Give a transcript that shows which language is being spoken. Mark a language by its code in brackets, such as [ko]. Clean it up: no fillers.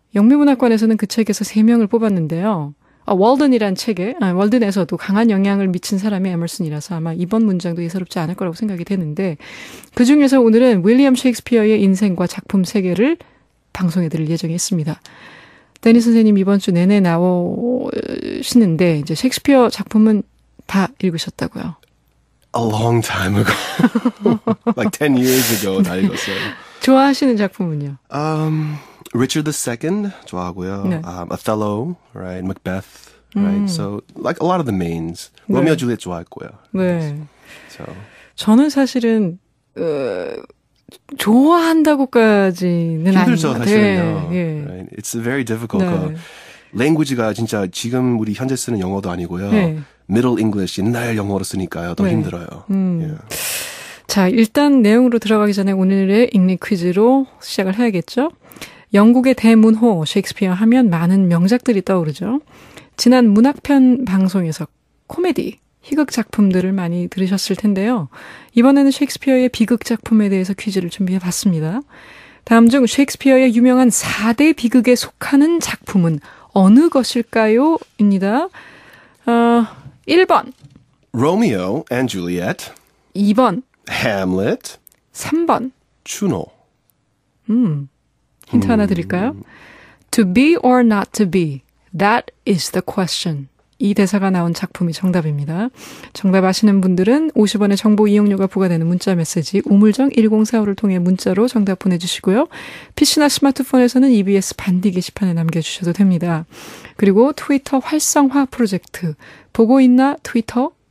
[ko] 영미문학관에서는 그 책에서 3명을 뽑았는데요. 월든이란 책에, 월든에서도 강한 영향을 미친 사람이 에머슨이라서 아마 이번 문장도 예사롭지 않을 거라고 생각이 되는데 그 중에서 오늘은 윌리엄 셰익스피어의 인생과 작품 세계를 방송해 드릴 예정이 있습니다. 데니 선생님 이번 주 내내 나오시는데 이제 셰익스피어 작품은 다 읽으셨다고요? [en] A long time ago. Like 10 years ago [ko] 다 읽었어요. 좋아하시는 작품은요? Richard II 좋아하고요. [en] 네. Othello, right? Macbeth, right? So like a lot of the mains. [ko] 네. 로미오 줄리엣 좋아했고요. 네. So 저는 사실은 좋아한다고까지는 힘들죠, 아닌 것 같아요. 힘들죠 사실은요. 네. [en] Right? It's very difficult. [ko] 네. 그 language가 진짜 지금 우리 현재 쓰는 영어도 아니고요. 네. Middle English 옛날 영어로 쓰니까요. 더 네. 힘들어요. [en] Yeah. [ko] 자, 일단 내용으로 들어가기 전에 오늘의 읽니 퀴즈로 시작을 해야겠죠. 영국의 대문호 셰익스피어 하면 많은 명작들이 떠오르죠. 지난 문학편 방송에서 코미디, 희극 작품들을 많이 들으셨을 텐데요. 이번에는 셰익스피어의 비극 작품에 대해서 퀴즈를 준비해봤습니다. 다음 중 셰익스피어의 유명한 4대 비극에 속하는 작품은 어느 것일까요? 입니다. 1번 로미오 앤 줄리엣, 2번 햄릿, 3번 주노. 힌트 하나 드릴까요? [en] To be or not to be, that is the question. [ko] 이 대사가 나온 작품이 정답입니다. 정답 아시는 분들은 50원의 정보 이용료가 부과되는 문자 메시지 우물정 1045를 통해 문자로 정답 보내주시고요. PC나 스마트폰에서는 EBS 반디 게시판에 남겨주셔도 됩니다. 그리고 트위터 활성화 프로젝트, 보고 있나 트위터?